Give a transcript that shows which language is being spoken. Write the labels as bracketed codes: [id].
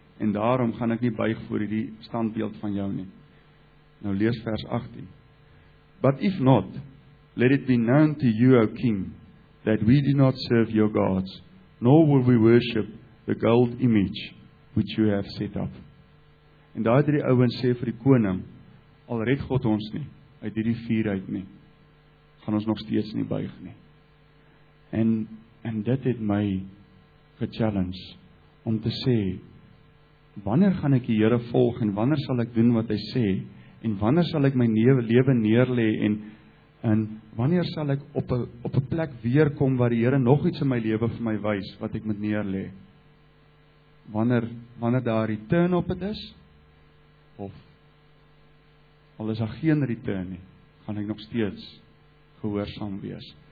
[af] En daarom gaan ek nie buig voor die standbeeld van jou nie. Nou lees vers 18. [en] But if not, let it be known to you, O King, that we do not serve your gods, nor will we worship the gold image which you have set up. [af] En daar het die ouens sê vir die koning, al red God ons nie, uit die vuur uit nie, gaan ons nog steeds nie buig nie. En dit het my ge-challenge om te sê, wanneer gaan ek die Here volg en wanneer sal ek doen wat hy sê en wanneer sal ek my lewe neerlê en wanneer sal ek op 'n plek weer kom waar die Here nog iets in my lewe vir my wys wat ek moet neerlê? Wanneer daar return op het is, of al is daar geen return nie, gaan ek nog steeds gehoorsaam wees.